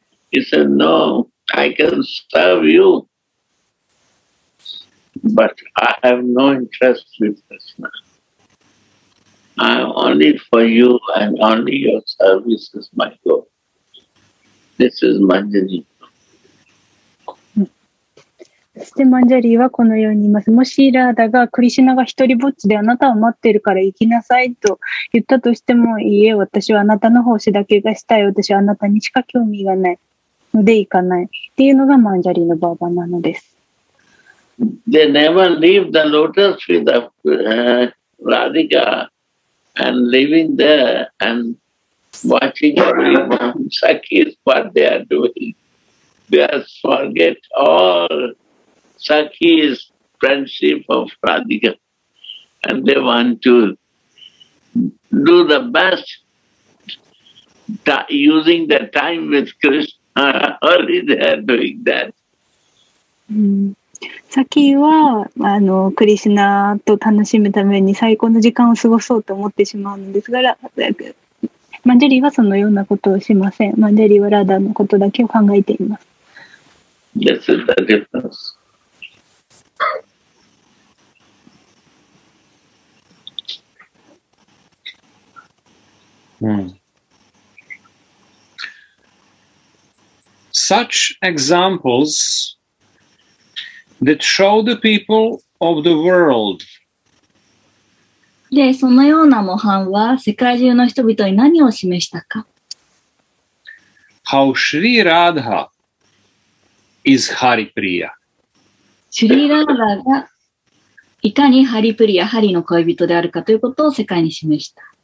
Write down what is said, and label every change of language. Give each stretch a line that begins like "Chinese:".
English: He said, no, I can serve you. But I have no interest with Krishna. I am only for you and only your service is my goal. This is Manjari.
Japanese: そしてマンジャリーはこのように言います。もしラーダがクリシナが一人ぼっちであなたを待ってるから行きなさいと言ったとしても、いいえ、私はあなたの奉仕だけがしたい。私はあなたにしか興味がないので行かない。っていうのがマンジャリーのバーバなのです。
English: They never leave the lotus with Radhika and living there and watching everyone. Sakhi is what they are doing. They have forget all. Sakhi is friendship of Radhika and they want to do the best using the time with Krishna. Only they are doing that.
Japanese: Sakhi はクリシナと楽しむために最高の時間を過ごそうと思ってしまうんですが、マンジェリーはそのようなことをしません。マンジェリーはラダのことだけを考えています。
English: This is the difference. Such examples that show the people of the world.
Japanese: で、そのような模範は世界中の人々に何を示したか?
English: How Sri Radha is Hari Priya.
Japanese: シュリーラーダがいかにハリプリア、ハリの恋人であるかということを世界に示した。